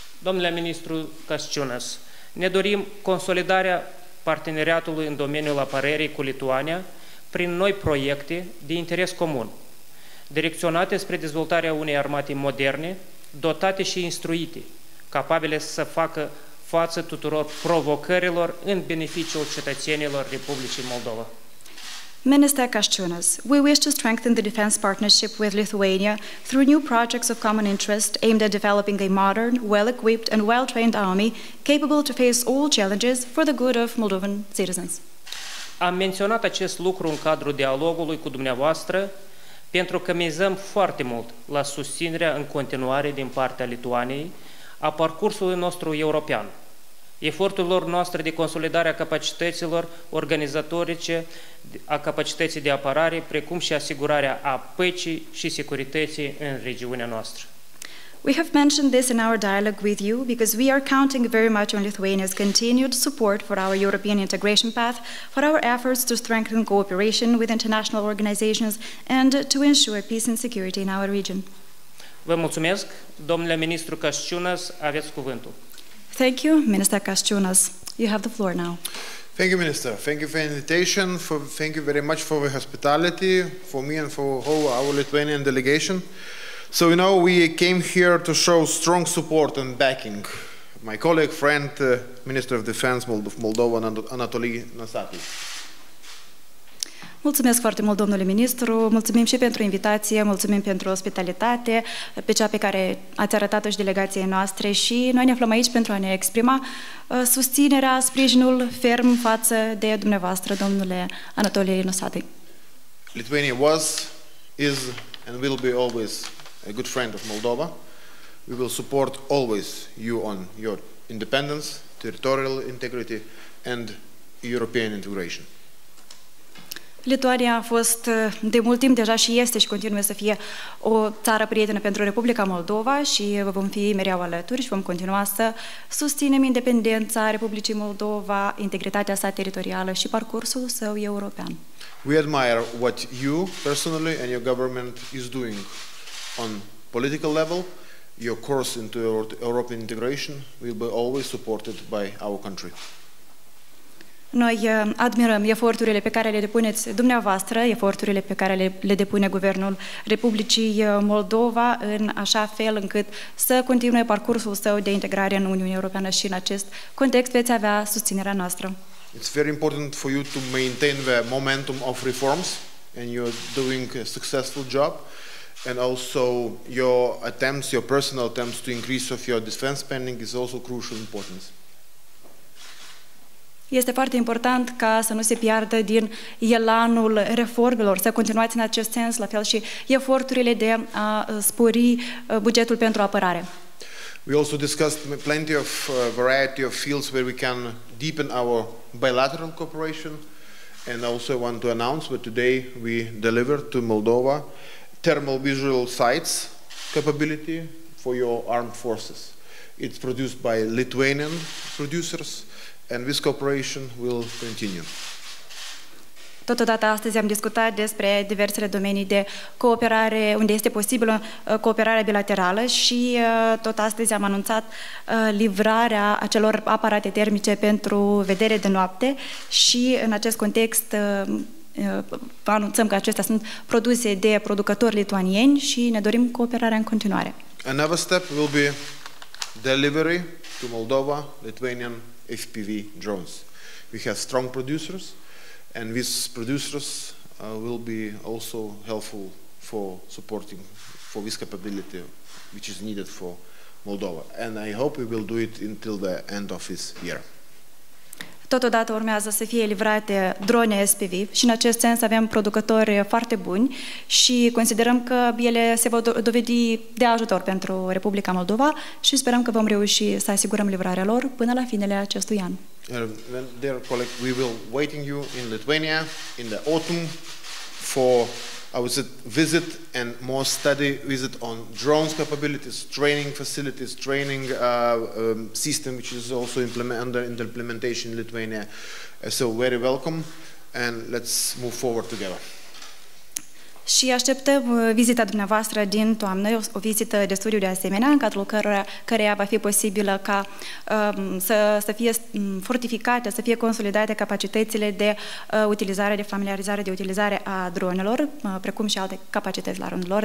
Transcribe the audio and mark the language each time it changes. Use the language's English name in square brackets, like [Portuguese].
[Romanian] Domnule ministru Kasčiūnas, ne dorim consolidarea parteneriatului în domeniul apărării cu Lituania prin noi proiecte de interes comun, direcționate spre dezvoltarea unei armate moderne, dotate și instruite, capabile să facă față tuturor provocărilor în beneficiul cetățenilor Republicii Moldova. [English] Minister Kasčiūnas, we wish to strengthen the defense partnership with Lithuania through new projects of common interest aimed at developing a modern, well-equipped and well-trained army capable to face all challenges for the good of Moldovan citizens. [Romanian] Am menționat acest lucru în cadrul dialogului cu dumneavoastră pentru că mizăm foarte mult la susținerea în continuare din partea Lituaniei a parcursului nostru european, eforturilor noastre de consolidare a capacităților organizatorice, a capacității de apărare, precum și asigurarea a păcii și securității în regiunea noastră. [English] We have mentioned this in our dialogue with you because we are counting very much on Lithuania's continued support for our European integration path, for our efforts to strengthen cooperation with international organizations and to ensure peace and security in our region. [Romanian] Vă mulțumesc, domnule ministru Kasčiūnas, aveți cuvântul. [English] Thank you, Minister Kasčiūnas. You have the floor now. Thank you, Minister. Thank you for the invitation. Thank you very much for the hospitality for me and for whole our Lithuanian delegation. So, you know, we came here to show strong support and backing. My colleague, friend, Minister of Defense of Moldova, Anatoly Nasati. [Romanian] Mulțumesc foarte mult, domnule ministru, mulțumim și pentru invitație, mulțumim pentru ospitalitate, pe cea pe care ați arătat-o și delegației noastre și noi ne aflăm aici pentru a ne exprima susținerea, sprijinul ferm față de dumneavoastră, domnule Anatolie Nosati. [English] Lithuania was, is and will be always a good friend of Moldova. We will support always you on your independence, territorial integrity and European integration. [Romanian] Lituania a fost de mult timp deja și este și continuă să fie o țară prietenă pentru Republica Moldova și vă vom fi mereu alături și vom continua să susținem independența Republicii Moldova, integritatea sa teritorială și parcursul său european. [English] We admire what you personally and your government is doing on political level, your course into European integration will be always supported by our country. [Romanian] Noi admirăm eforturile pe care le depuneți dumneavoastră, eforturile pe care le depune Guvernul Republicii Moldova, în așa fel încât să continue parcursul său de integrare în Uniunea Europeană, și în acest context veți avea susținerea noastră. [English] It's very important for you to maintain the momentum of reforms, and you're doing a successful job, and also your attempts, your personal attempts to increase of your defense spending is also crucial importance. [Romanian] Este foarte important ca să nu se piardă din elanul reformelor, să continuați în acest sens, la fel și eforturile de a spori bugetul pentru apărare. [English] We also discussed plenty of variety of fields where we can deepen our bilateral cooperation, and also want to announce that today we delivered to Moldova thermal visual sights capability for your armed forces. It's produced by Lithuanian producers, and this cooperation will continue. [Romanian] Totodată astăzi am discutat despre diversele domenii de cooperare, unde este posibilă cooperarea bilaterală, și tot astăzi am anunțat livrarea acelor aparate termice pentru vedere de noapte, și în acest context anunțăm că acestea sunt produse de producători lituanieni și ne dorim cooperarea în continuare. [English] Another step will be delivery to Moldova Lithuanian FPV drones. We have strong producers, and these producers will be also helpful for supporting for this capability which is needed for Moldova, and I hope we will do it until the end of this year. [Romanian] Totodată urmează să fie livrate drone SPV, și în acest sens avem producători foarte buni și considerăm că ele se vor dovedi de ajutor pentru Republica Moldova, și sperăm că vom reuși să asigurăm livrarea lor până la finele acestui an. [English] Dear colleague, we will waiting you in Lithuania in the autumn for our visit and more study visit on drones capabilities, training facilities, training system which is also under implementation in Lithuania. So very welcome, and let's move forward together. [Romanian] Și așteptăm vizita dumneavoastră din toamnă, o vizită de studiu de asemenea, în cadrul căreia va fi posibilă ca să fie fortificate, să fie consolidate capacitățile de utilizare, de familiarizare, de utilizare a dronelor, precum și alte capacități la rândul lor.